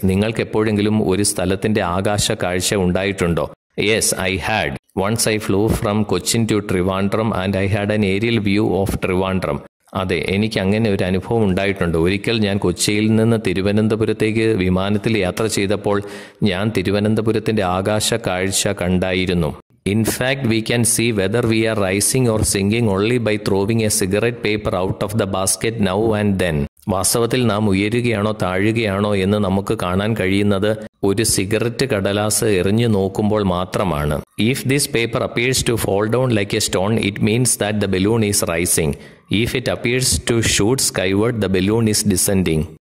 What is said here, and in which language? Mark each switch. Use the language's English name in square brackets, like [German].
[Malayalam] നിങ്ങൾക്ക് എപ്പോഴെങ്കിലും ഒരു സ്ഥലത്തിൻ്റെ ആകാശ കാഴ്ച ഉണ്ടായിട്ടുണ്ടോ? [English] Yes I had. Once I flew from Cochin to Trivandrum and I had an aerial view of Trivandrum. [Malayalam] അതെ, എനിക്ക് അങ്ങനെ ഒരു അനുഭവം ഉണ്ടായിട്ടുണ്ട്. ഒരിക്കൽ ഞാൻ കൊച്ചിയിൽ നിന്ന് തിരുവനന്തപുരത്തേക്ക് വിമാനത്തിൽ യാത്ര ചെയ്തപ്പോൾ ഞാൻ തിരുവനന്തപുരത്തിൻ്റെ ആകാശ കാഴ്ച കണ്ടായിരുന്നു. [English] In fact, we can see whether we are rising or sinking only by throwing a cigarette paper out of the basket now and then. [Malayalam] വാസ്തവത്തിൽ നാം ഉയരുകയാണോ താഴുകയാണോ എന്ന് നമുക്ക് കാണാൻ കഴിയുന്നത് ഒരു സിഗരറ്റ് കടലാസ് എറിഞ്ഞു നോക്കുമ്പോൾ മാത്രമാണ്. [English] If this paper appears to fall down like a stone, it means that the balloon is rising. If it appears to shoot skyward, the balloon is descending.